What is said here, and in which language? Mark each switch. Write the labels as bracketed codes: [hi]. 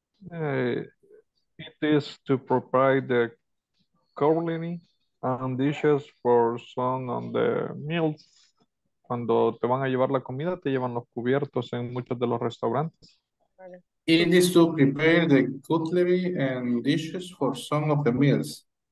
[en] It is to provide the cleanliness and dishes for some of the meals. [es] Cuando te van a llevar la comida, te llevan los cubiertos en muchos de los restaurantes. [en] It is to prepare the cutlery and dishes for some of the meals.